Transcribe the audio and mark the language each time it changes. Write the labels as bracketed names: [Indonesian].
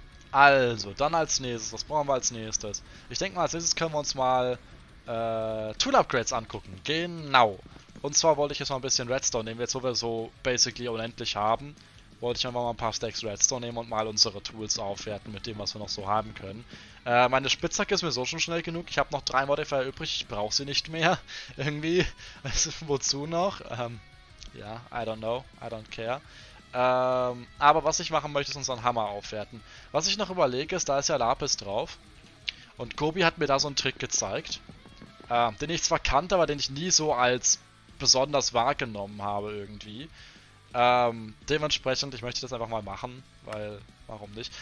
[German] Also, dann als nächstes. Was brauchen wir als nächstes? Ich denke mal, als nächstes können wir uns mal Tool Upgrades angucken. Genau. Und zwar wollte ich jetzt mal ein bisschen Redstone nehmen, jetzt wo wir so basically unendlich haben. Wollte ich einfach mal ein paar Stacks Redstone nehmen und mal unsere Tools aufwerten mit dem, was wir noch so haben können. Meine Spitzhacke ist mir so schon schnell genug. Ich habe noch 3 Modifier übrig. Ich brauche sie nicht mehr. Irgendwie. Wozu noch? Ja, [English] yeah, I don't know. I don't care. [German] Aber was ich machen möchte, ist unseren Hammer aufwerten. Was ich noch überlege, ist, da ist ja Lapis drauf. Und Kobi hat mir da so einen Trick gezeigt. Den ich zwar kannte, aber den ich nie so als besonders wahrgenommen habe irgendwie. Dementsprechend, ich möchte das einfach mal machen, weil, warum nicht?